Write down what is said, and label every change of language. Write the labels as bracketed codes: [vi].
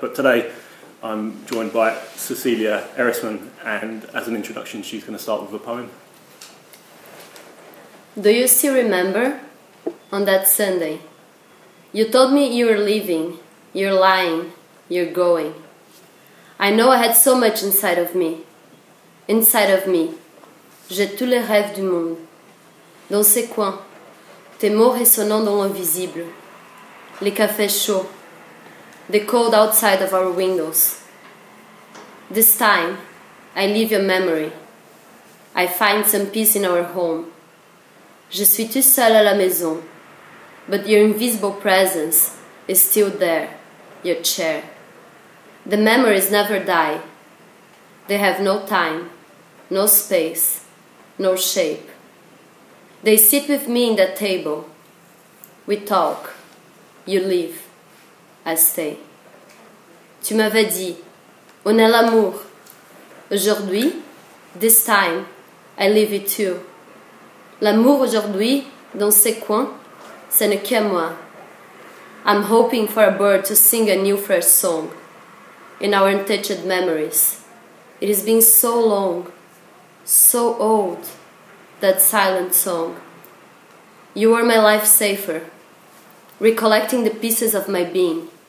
[en] But today I'm joined by Cecilia Erisman, and as an introduction she's going to start with a poem. Do you still remember on that Sunday? You told me you were leaving, you're lying, you're going. I know I had so much inside of me. Inside of me. [fr] J'ai tous les rêves du monde. Dans ces coins, tes mots résonnant dans l'invisible. Les cafés chauds. [en] The cold outside of our windows. This time, I leave your memory. I find some peace in our home. [fr] Je suis tout seul à la maison. [en] But your invisible presence is still there, your chair. The memories never die. They have no time, no space, no shape. They sit with me in that table. We talk. You leave. I stay. [fr] Tu m'avais dit, on est l'amour. Aujourd'hui, [en] this time, I leave it too. [fr] L'amour aujourd'hui, dans ces coins, ce n'est que moi. [en] I'm hoping for a bird to sing a new fresh song in our untouched memories. It has been so long, so old, that silent song. You were my life safer, recollecting the pieces of my being.